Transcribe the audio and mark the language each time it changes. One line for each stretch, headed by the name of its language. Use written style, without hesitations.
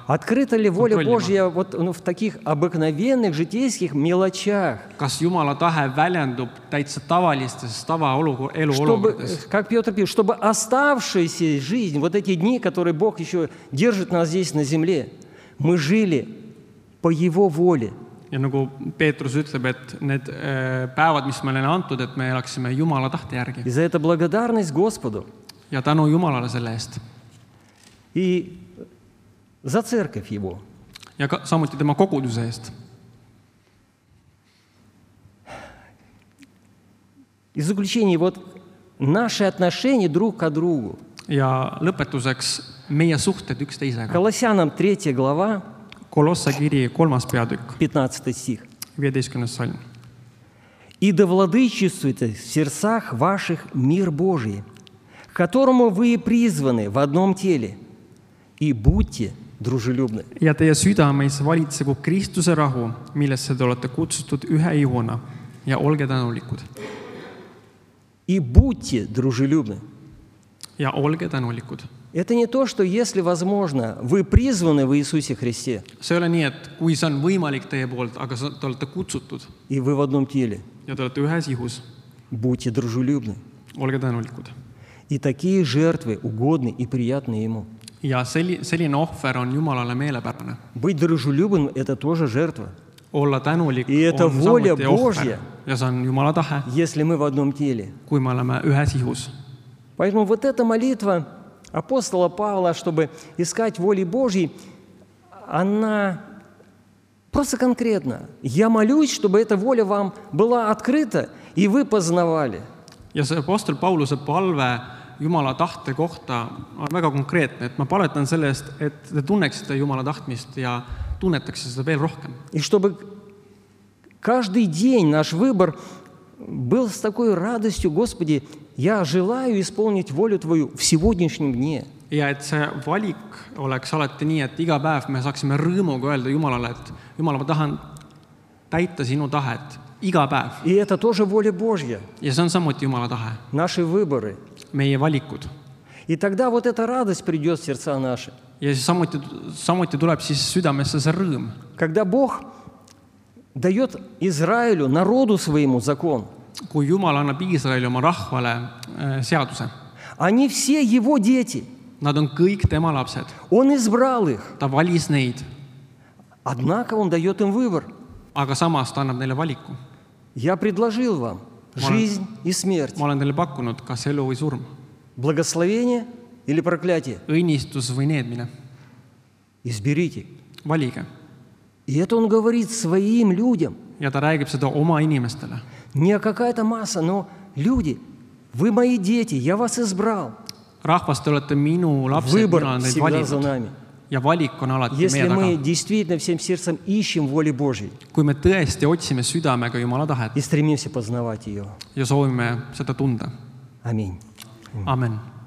Russian: Открыта ли воля Божья вот, ну, в таких обыкновенных житейских мелочах?
Estonian: Kas Jumala tahe väljendub täitsa tavalistes tavaolukordades?
Russian: Как Петр пишет, чтобы оставшаяся жизнь, вот эти дни, которые Бог еще держит нас здесь на земле, мы жили по Его воле.
Estonian: Ja nagu Peetrus ütleb, et need päevad, mis me olen antud, et me elaksime Jumala tahte järgi.
Russian: И за это благодарность Господу.
Estonian: Ja tänu Jumalale selle eest.
Russian: И за церковь Его.
Estonian: Ja samuti tema koguduse eest.
Russian: И заключение, вот наши отношения друг к другу.
Estonian: Ja lõpetuseks meie suhted üks teisega.
Russian: Kolossianam 3. Glava.
Estonian: Kolossa kirje 3. Peatükk.
Russian: 15. Stih.
Estonian: 15. Salm.
Russian: И да владычествуйте в сердцах ваших мир Божий, к которому вы призваны в одном теле, и будьте дружелюбны.
Estonian: Ja teie südames valitsegu Kristuse rahu, millesse te olete kutsutud ühe ihona, ja olge tänulikud.
Russian: И будьте дружелюбны.
Estonian: Ja olge tänulikud.
Russian: Это не то, что если возможно, вы призваны в Иисусе Христе.
Estonian: See ei ole nii, et kui see on võimalik teie poolt, aga te olete kutsutud.
Russian: И вы в одном теле.
Estonian: Ja te olete ühes ihus.
Russian: Будьте дружелюбны.
Estonian: Olge tänulikud.
Russian: И такие жертвы угодны и приятны ему.
Estonian: Ja selline ohver on Jumalale meelepärane.
Russian: Быть дружелюбным – это тоже жертва.
Estonian: Olla tänulik
Russian: и это воля Божья.
Estonian: Ja see on Jumala tahe.
Russian: Если мы в одном теле.
Estonian: Kui me oleme ühes ihus.
Russian: Поэтому вот эта молитва апостола Павла, чтобы искать воли Божьей, она просто конкретна. Я молюсь, чтобы эта воля вам была открыта, и вы познавали.
Estonian: Ja see apostel Pauluse palve Jumala tahte kohta on väga konkreetne. Et ma paletan sellest, et te tunneksite Jumala tahtmist ja tunnetakse seda veel rohkem.
Russian: И чтобы каждый день наш выбор был с такой радостью, Господи, я желаю исполнить волю Твою в сегодняшнем дне.
Estonian: Ja et see valik oleks alati nii, et iga päev me saaksime rõõmuga öelda Jumalale, et Jumala, ma tahan täita sinu tahet iga päev.
Russian: И это тоже воля Божья.
Estonian: Ja see on samuti Jumala tahe.
Russian: Наши выборы.
Estonian: Meie valikud.
Russian: И тогда вот эта радость придет в сердца наши.
Estonian: Ja siis samuti tuleb siis südamesse see rõõm.
Russian: Когда Бог дает Израилю, народу своему закон.
Estonian: Kui Jumal annab Israeli oma rahvale seaduse.
Russian: Они все его дети.
Estonian: Nad on kõik tema lapsed.
Russian: Он избрал их.
Estonian: Ta valis neid.
Russian: Однако он дает им выбор.
Estonian: Aga samas ta annab neile valiku.
Russian: Я предложил вам жизнь и смерть.
Estonian: Ma olen neile pakkunud, kas elu või surm.
Russian: Благословение или проклятие.
Estonian: Õnnistus või needmine.
Russian: Изберите.
Estonian: Valige.
Russian: И это он говорит своим людям.
Estonian: Ja ta räägib seda oma inimestele.
Russian: Не какая-то масса, но люди, вы мои дети, я вас избрал.
Estonian: Rahvas, te olete minu lapsed,
Russian: выбор всегда
Estonian: valinud.
Russian: За нами.
Estonian: Ja valik on alati
Russian: если
Estonian: meie
Russian: мы
Estonian: taga.
Russian: Действительно всем сердцем ищем воли Божьей,
Estonian: kui me tõesti otsime südamega Jumala tahet,
Russian: и стремимся познавать ее.
Estonian: Ja soovime seda tunda.
Russian: Аминь.
Estonian: Amen.